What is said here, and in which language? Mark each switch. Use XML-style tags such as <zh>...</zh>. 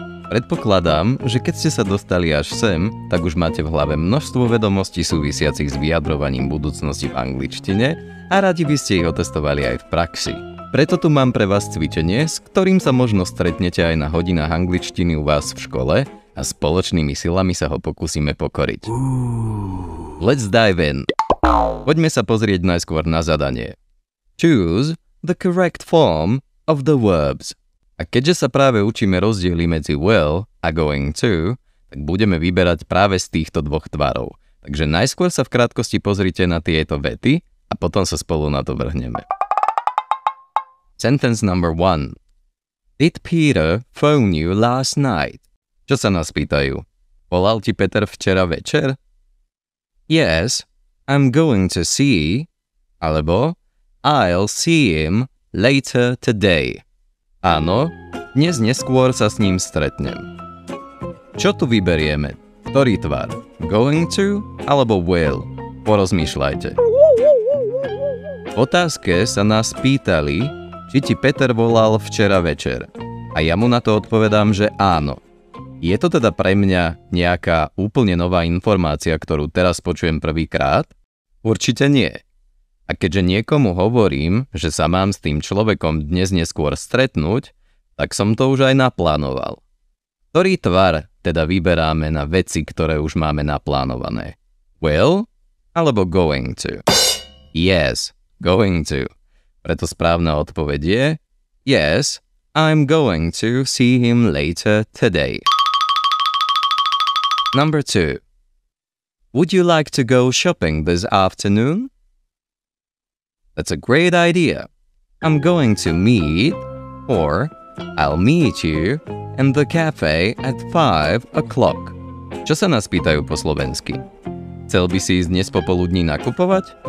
<sk>Predpokladám, že keď ste sa dostali až sem, tak už máte v hlave množstvo vedomostí súvisiacich s vyjadrovaním budúcnosti v angličtine a radi by ste ich otestovali aj v praxi. Preto tu mám pre vás cvičenie, s ktorým sa možno stretnete aj na hodinách angličtiny u vás v škole a spoločnými silami sa ho pokúsime pokoriť.</sk> <en>Let's dive in.</en> <sk>Poďme sa pozrieť najskôr na zadanie.</sk> <en>Choose the correct form of the verbs.</en> <sk>A keďže sa práve učíme rozdiely medzi will a going to, tak budeme vyberať práve z týchto dvoch tvarov. Takže najskôr sa v krátkosti pozrite na tieto vety a potom sa spolu na to vrhneme.</sk> <en>Sentence number one. Did Peter phone you last night?</en> <sk>Čo sa nás pýtajú? Volal ti Peter včera večer?</sk> <en>Yes, I'm going to see, alebo I'll see him later today.</en> <sk>Áno, dnes neskôr sa s ním stretnem. Čo tu vyberieme? Ktorý tvar? Going to alebo will? Porozmýšľajte. V otázke sa nás pýtali, či ti Peter volal včera večer. A ja mu na to odpovedám, že áno. Je to teda pre mňa nejaká úplne nová informácia, ktorú teraz počujem prvýkrát? Určite nie. A keďže niekomu hovorím, že sa mám s tým človekom dnes neskôr stretnúť, tak som to už aj naplánoval. Ktorý tvar teda vyberáme na veci, ktoré už máme naplánované?</sk> <en>Will? Alebo going to? Yes, going to.</en> <sk>Preto správna odpoveď je</sk> <en>Yes, I'm going to see him later today. Number 2. Would you like to go shopping this afternoon? That's a great idea. I'm going to meet, or I'll meet you, in the cafe at 5 o'clock.</en> <sk>Čo sa nás pýtajú po slovensky? Chcel by si ísť dnes popoludní nakupovať?</sk>